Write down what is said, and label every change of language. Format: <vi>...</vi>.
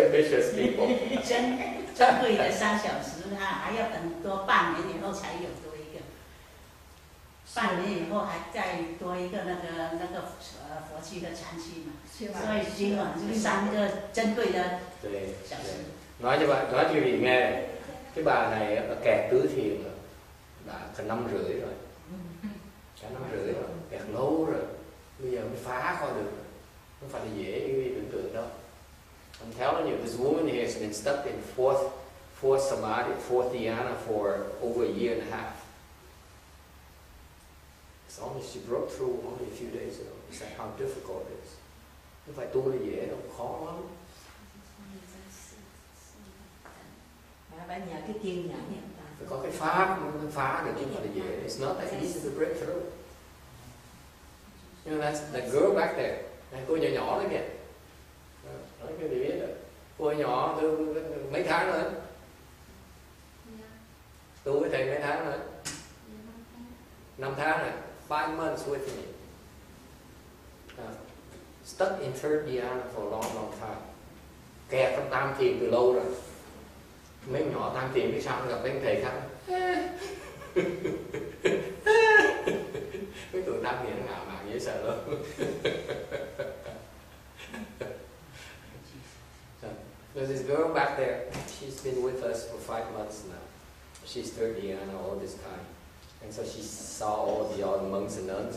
<zh>对的三小时哈，还要等多半年以后才有多一个，半年以后还再多一个那个佛期的禅期嘛，所以今晚就三个珍贵的小时。</zh> <vi>Nói cho bạn, nói cho vị nghe, cái bà này ở kẹt tứ thiền đã cả năm rưỡi rồi, cả năm rưỡi rồi, kẹt lâu rồi, bây giờ mới phá khỏi được, không phải là dễ như vị tưởng tượng đâu.</vi> <en>I'm telling you, this woman here has been stuck in fourth samadhi, fourth dhyana for over a year and a half. It's only she broke through only a few days ago. It's like how difficult it is.</en> <vi>Không phải tu là dễ đâu, khó lắm. Phải có cái pháp mới phá được chứ không phải dễ.</vi> <en>It's not that easy to break through. You know that's the girl back there.</en> <vi>Này cô nhỏ nhỏ đó kìa. Nói cho mình biết rồi. Cô nhỏ từ mấy tháng rồi. Tu với thầy mấy tháng rồi. 5 tháng rồi.</vi> <en>5 months with me. Stuck in third dhyana for a long, long time.</en> <vi>Kẹt trong tam thiền từ lâu rồi. Mấy nhỏ tăng tiền biết sao mà gặp mấy thầy khác. Mấy tụi tăng tiền nó ngạo mạn dễ sợ luôn.</vi> <en>So, this girl back there, she's been with us for 5 months now. She's 30 and all this time. And so she saw all the old monks and nuns.</en>